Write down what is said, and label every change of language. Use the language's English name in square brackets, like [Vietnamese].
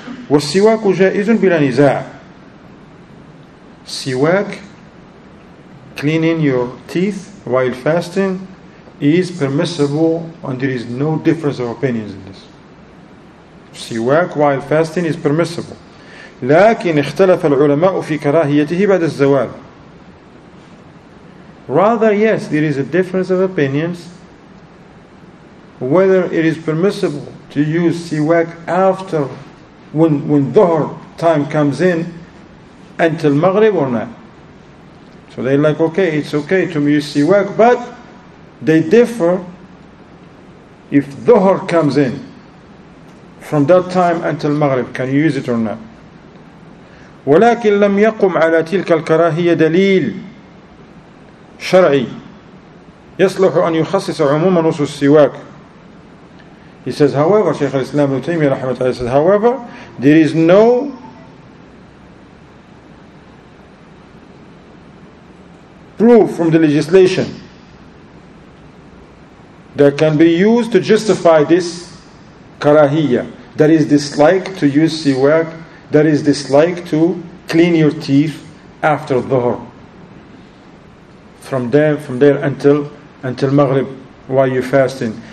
[Arabic] والسواك جائز بلا نزاع. [English] سواك, cleaning your teeth while fasting, is permissible, and there is no difference of opinions in this. سواك while fasting is permissible. [Arabic] لكن اختلف العلماء في كراهيته بعد الزوال. [English] Rather, yes, there is a difference of opinions whether it is permissible to use siwak after, when dhuhr time comes in until maghrib or not. So they're like, okay, it's okay to use siwak, but they differ if dhuhr comes in from that time until maghrib, can you use it or not? [Arabic] ولكن لم يقم على تلك الكراهية دليل شرعي يصلح أن يخصص عموما نصوص السواك. [English] He says, however, شيخ الإسلام ابن تيمية رحمه الله says, however, there is no proof from the legislation that can be used to justify this كراهية, that is dislike to use سواك, that is dislike to clean your teeth after dhuhr, from there until maghrib, while you're fasting.